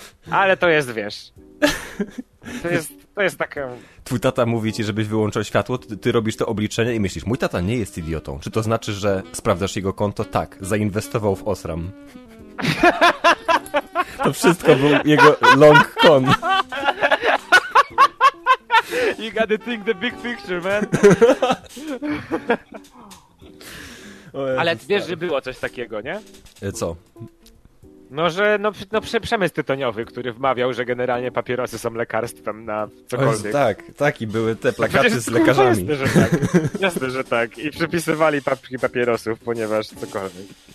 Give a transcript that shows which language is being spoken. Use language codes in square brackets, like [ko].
[pl] Ale to jest, wiesz... To jest taka... Twój tata mówi ci, żebyś wyłączył światło, ty robisz to obliczenie i myślisz, mój tata nie jest idiotą. Czy to znaczy, że sprawdzasz jego konto? Tak, zainwestował w Osram. To wszystko był jego long con. [en] You gotta think the big picture, man. [pl] Ale ty wiesz, że było coś takiego, nie? Co? No, że no, przemysł tytoniowy, który wmawiał, że generalnie papierosy są lekarstwem na cokolwiek. Jezu, tak, tak, i były te plakaty z lekarzami. Jasne, że tak. Jasne, że tak. I przepisywali papki papierosów, ponieważ cokolwiek.